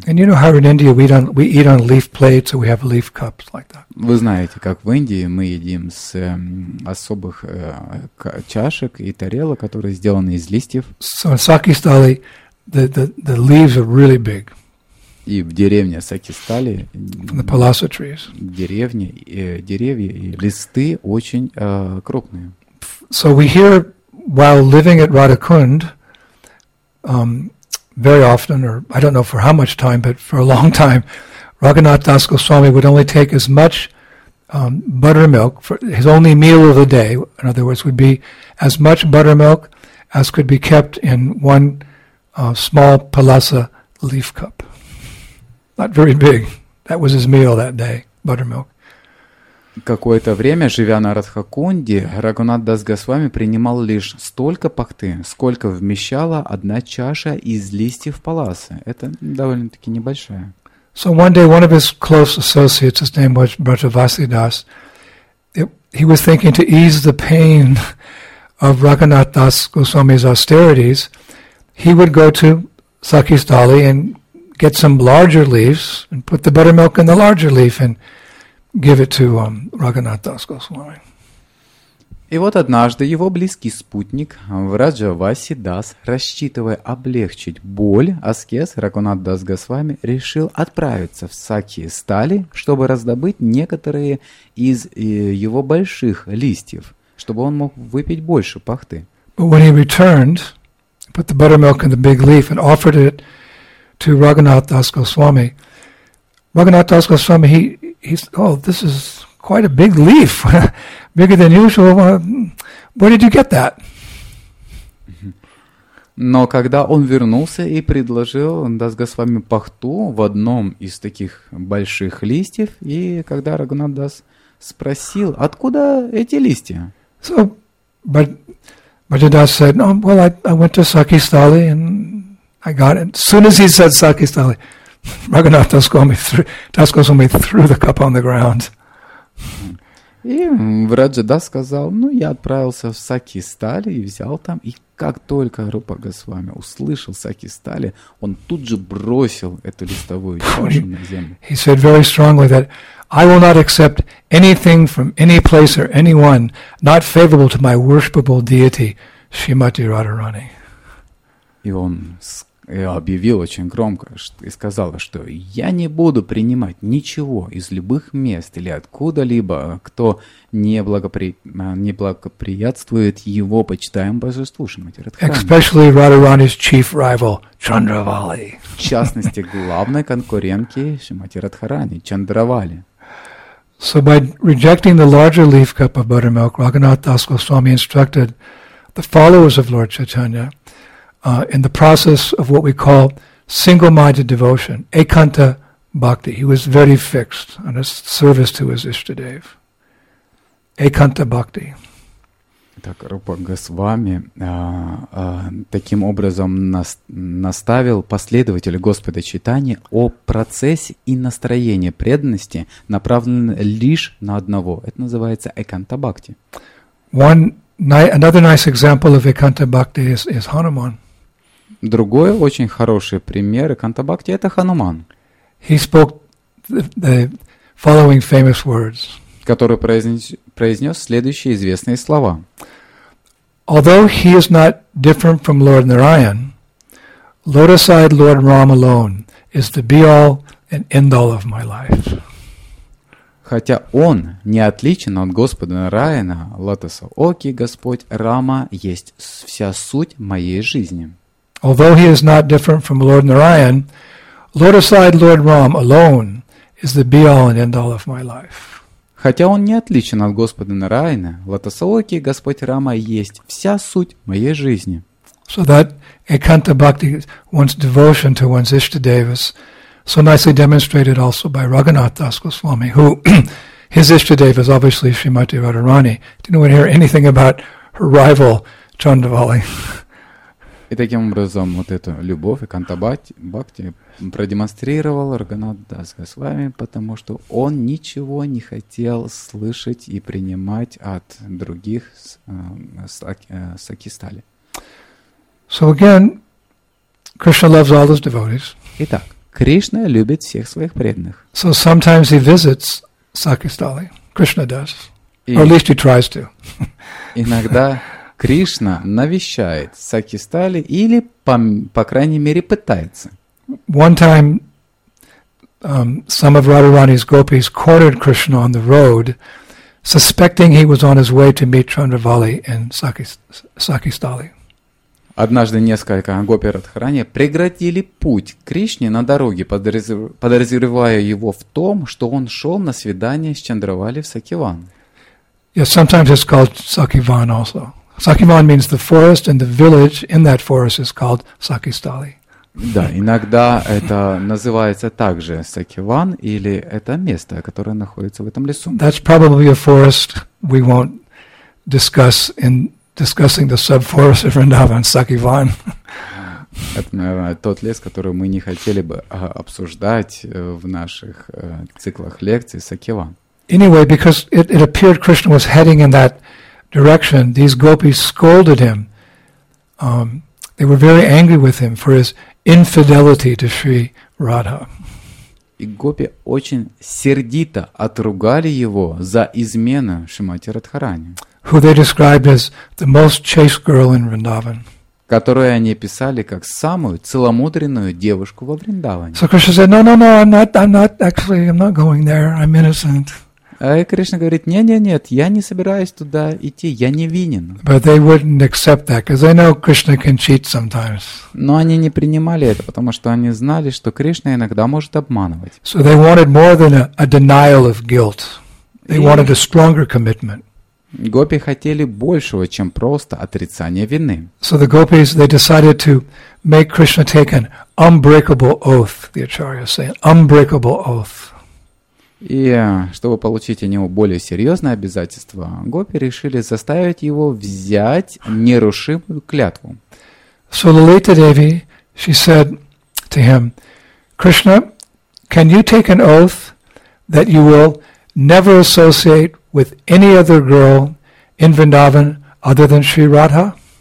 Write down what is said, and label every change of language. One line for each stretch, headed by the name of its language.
English: And you know how in India we eat on leaf plates, or we have leaf cups like that.
Russian: Вы знаете, как в Индии мы едим с особых чашек и тарелок, которые сделаны из листьев.
English: So in Sakhistali, the leaves are really big.
Russian: и в деревне Сакистали, деревни, деревья и листы очень крупные.
English: So we hear while living at Radhakund, very often, or I don't know for how much time, but for a long time, Raghunath Das Goswami would only take as much buttermilk for his only meal of the day. In other words, would be as much buttermilk as could be kept in one small palasa leaf cup. Not very big. That was his meal that day, buttermilk.
Russian: Какое-то время, живя на Радхакунде, Рагунат Дас Госвами принимал лишь столько пахты, сколько вмещала одна чаша из листьев паласы. Это довольно-таки небольшая.
English: So one day one of his close associates, his name was Brother Vasidas, he was thinking to ease the pain of Raghunath Das Goswami's austerities, he would go to Sakistali and get some larger leaves and put the buttermilk in the larger leaf and give it to Raghunath Das Goswami.
Russian: И вот однажды его близкий спутник, Враджа Васи Дас, рассчитывая облегчить боль, аскез Рагунат Дас Госвами решил отправиться в Сакистали, чтобы раздобыть некоторые из его больших листьев, чтобы он мог выпить больше пахты.
English: But when he returned, put the buttermilk in the big leaf and offered it to Raghunath Das Goswami, Raghunath Das Goswami, this is quite a big leaf. Bigger than usual. Where did you get that?
Russian: Но когда он вернулся и предложил Дас Госвами пахту в одном из таких больших листьев, и когда Рагунат Дас спросил, откуда эти листья?
English: So, Bhajadas said, no, well, I went to Sakistali and I got it. As soon as he said Sakistali, Рагунат Дас Госвами threw the cup on the ground.
Russian: И Враджа Дас сказал, ну, я отправился в Сакистали и взял там, и как только Рупа Госвами услышал Сакистали, он тут же бросил эту листовую чашу на землю.
English: He said very strongly that I will not accept anything from any place or anyone not favorable to my worshipable deity Shrimati Radharani.
Russian: И он объявил очень громко и сказал, что я не буду принимать ничего из любых мест или откуда-либо, кто неблагоприятствует его почитаемому божеству Шримати Радхарани.
English: Especially Radharani's chief rival, Chandravali.
Russian: В частности, главной конкурентки Шримати Радхарани, Чандравали.
English: So by rejecting the larger leaf cup of buttermilk, Raghunath Das Goswami instructed the followers of Lord Chaitanya in the process of what we call single-minded devotion, Ekanta Bhakti. He was very fixed on his service to his Ishtadev. Ekanta Bhakti.
Russian: Так, Рупа Госвами таким образом наставил последователей Господа Чайтаньи о процессе и настроении преданности, направленном лишь на одного. Это называется Ekanta Bhakti.
English: Another nice example of Ekanta Bhakti is Hanuman.
Russian: Другой очень хороший пример Эканта Бхакти – это Хануман.
English: He spoke the following famous words.
Russian: Который произнес следующие известные слова.
English: Although he is not different from Lord Narayan, lotus-eyed Lord Ram alone is the be-all and end-all of my life.
Russian: Хотя он не отличен от Господа Нараяна, лотоса оки, Господь Рама есть вся суть моей жизни.
English: Although he is not different from Lord Narayan, lotus-eyed Lord Ram alone is the be-all and end-all of my life.
Russian: Хотя он не отличен от Господа Нараяна, лотосооки Господь Рама есть вся суть моей жизни.
English: So that Ekanta Bhakti, one's devotion to one's Ishtadeva, so nicely demonstrated also by Raghunath Das Goswami, who his Ishtadeva is obviously Shrimati Radharani. Didn't want to hear anything about her rival Chandravali.
Russian: И таким образом вот эту любовь и Канта-бхакти продемонстрировал Рагунат Дас Госвами, потому что он ничего не хотел слышать и принимать от других Сакистали.
English: So again, Krishna loves all his devotees.
Russian: Итак, Кришна любит всех своих преданных.
English: So sometimes he visits Sakistali. Krishna does. Or at least he tries to.
Russian: Иногда Кришна навещает Сакистали или, по крайней мере, пытается.
English: One time, some of Radharani's gopis cornered Krishna on the road, suspecting he was on his way to meet Chandravali in Sakhistali.
Russian: Однажды несколько гопи Радхарани преградили путь Кришне на дороге, подозревая его в том, что он шел на свидание с Чандравали в Сакиван.
English: Yes, sometimes it's called Sakivan also. Sakivan means the forest, and the village in that forest is called Sakhistali.
Russian: Да, иногда это называется также Сакиван, или это место, которое находится в этом лесу.
English: That's probably a forest we won't discuss in discussing the sub-forest of Vrindavan, Sakivan.
Russian: Это, наверное, тот лес, который мы не хотели бы обсуждать в наших циклах лекций, Сакиван.
English: Anyway, because it appeared Krishna was heading in that direction, these gopis scolded him. They were very angry with him for his infidelity to Sri Radha.
Russian: И гопи очень сердито отругали его за измену Шримати Радхарани,
English: who they described as the most chaste girl in Vrindavan.
Russian: Которую они писали как самую целомудренную девушку во Вриндаване.
English: So Krishna said, no, I'm not going there, I'm innocent.
Russian: А Кришна говорит, нет, я не собираюсь туда идти, я невинен.
English: But they wouldn't accept that, because they know Krishna can cheat sometimes.
Russian: Но они не принимали это, потому что они знали, что Кришна иногда может обманывать.
English: So they wanted more than a denial of guilt. They wanted a stronger commitment.
Russian: Гопи хотели большего, чем просто отрицание вины.
English: So the gopis, they decided to make Krishna take an unbreakable oath, the acharya said, unbreakable oath.
Russian: И чтобы получить от него более серьезное обязательство, гопи решили заставить его взять нерушимую клятву.
English: So Lalita Devi, she said to him, Krishna, can you take an oath that you will never associate with any other girl in Vrindavan other than Sri Radha?